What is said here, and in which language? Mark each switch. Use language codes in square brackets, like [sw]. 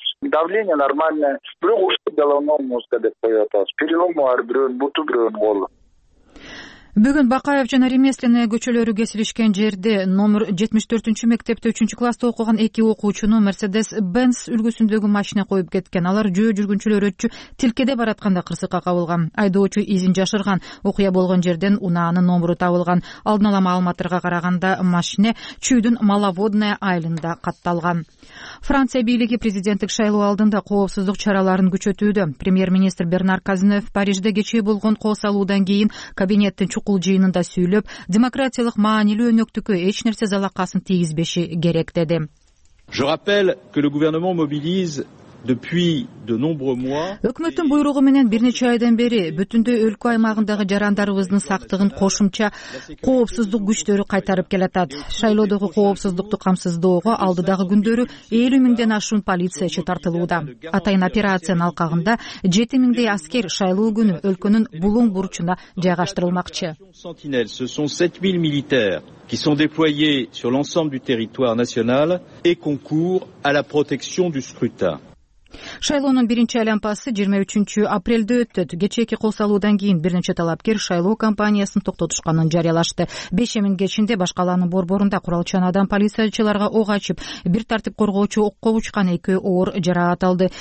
[ru] Давление нормальное, [ky] бирок ушу головной мозга деп коюп атабыз. Перелому бар, бирөөнүн буту, бирөөнүн колу. Бүгүн Бакаев жана Ремесленное көчөлөрү кесилишкен жерде номер 74 мектепте 3 класста окуган эки окуучуну Мерседес Бенс үлгүсүндөгү машина коюп кеткен. Алар жөө жүргүнчүлөр өтчү тилкеде баратканда кырсыкка кабылган. Айдоочу изин жашырган. Окуя болгон жерден унаанын номуру табылган. Алдын ала маалыматтарга караганда машине Чүйдүн Маловодная айылында катталган. Франция бийлиги президенттик шайлоо алдында коопсуздук чараларын күчөтүүдө. Премьер-министр Бернар Казинев Парижде кечээ болгон кол салуудан кийин кабинеттин чукул жыйынында сүйлөп, демократиялык маанилүү өнөктүккө эч нерсе залакасын тийгизбеши керек деди. [fr] Je rappelle que le gouvernement mobilise depuis de nombreux mois. [ky] Өкмөттүн буйругу менен бир нече айдан бери бүтүндөй өлкө аймагындагы жарандарыбыздын сактыгын кошумча коопсуздук күчтөрү кайтарып келатат. Шайлоодогу коопсуздукту камсыздоого алдыдагы күндөрү 50 000 ашуун полициячы тартылууда. Атайын операциянын алкагында 7 000 аскер шайлоо күнү өлкөнүн булуң бурчуна жайгаштырылмакчы. [fr] Ce sont 7000 militaires qui sont déployés sur l'ensemble du territoire national et concourent à la protection du scrutin. [ky] Шайлоонун биринчи айлампасы 23 апрелде өттөт. Кечээки кол салуудан кийин бир нече талапкер шайлоо кампаниясын токтотушканын жарыялашты. 5 000 ичинде башка алаанын борборунда курал чанадан полициячыларга ок ачып, бир тартип коргоочу окко учкан экөө оор жараат алды.